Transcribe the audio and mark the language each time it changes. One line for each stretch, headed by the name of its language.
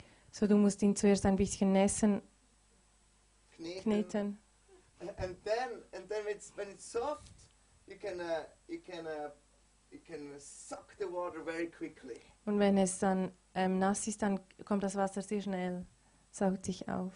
German: So, du musst ihn zuerst ein bisschen nässen, kneten.
English: And then when it's soft, you can suck the water very quickly.
German: Und wenn es dann nass ist, dann kommt das Wasser sehr schnell, saugt sich auf.